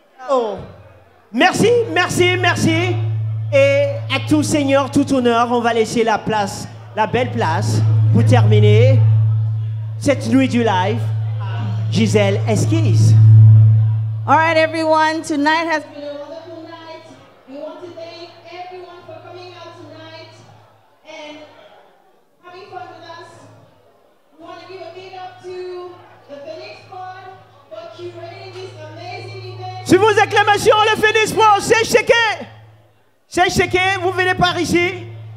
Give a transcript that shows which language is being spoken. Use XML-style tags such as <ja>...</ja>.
<fr>Oh. Merci, merci, merci. Et à tout seigneur, tout honneur, on va laisser la place, la belle place, pour terminer cette nuit du live, Gisèle Esquise.</fr> <en>All right, everyone, tonight has been a wonderful night. We want to thank everyone for coming out tonight and having fun with us. We want to give a big up to the Phoenix Pod for curating this amazing event.</en> <fr>Suivez vos acclamations, le Phoenix Pod, c'est checké. C'est checké, vous venez par ici.</fr>